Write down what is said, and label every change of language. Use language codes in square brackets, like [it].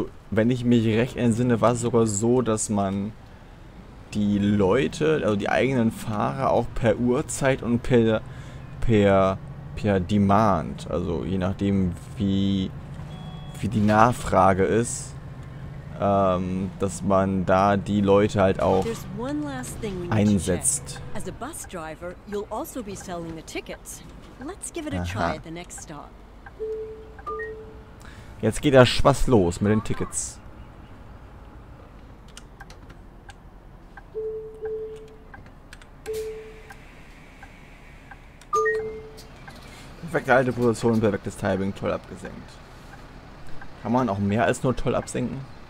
[de] Wenn ich mich recht entsinne, war es sogar so, dass man die Leute, also die eigenen Fahrer auch per Uhrzeit und per Demand, also je nachdem wie die Nachfrage ist, dass man da die Leute halt auch einsetzt. [en] As a bus driver, you'll also be selling the tickets. Let's give it a try at the next stop. [de] Jetzt geht der Spaß los mit den Tickets. Perfekte alte Position, perfektes Timing, toll abgesenkt. Kann man auch mehr als nur toll absenken?